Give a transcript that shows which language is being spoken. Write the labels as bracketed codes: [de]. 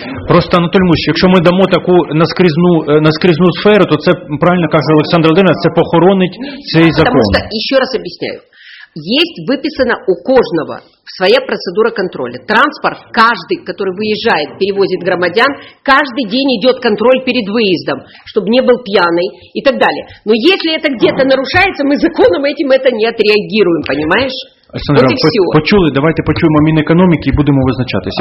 [uk] Просто, Анатолій Мусіч, якщо ми дамо таку наскрізну сферу, то це, правильно каже Олександр Володимирович, це похоронить цей закон. Тому що, ще раз об'ясняю, є виписана у кожного своя процедура контроля. [ru] Транспорт, каждый, который выезжает, перевозит громадян, каждый день идет контроль перед выездом, чтобы не был пьяный и так далее. Но если это где-то нарушается, мы законом этим это не отреагируем, понимаешь? [uk] Александр, почули, давайте почуємо Мінекономіки і будемо визначатися.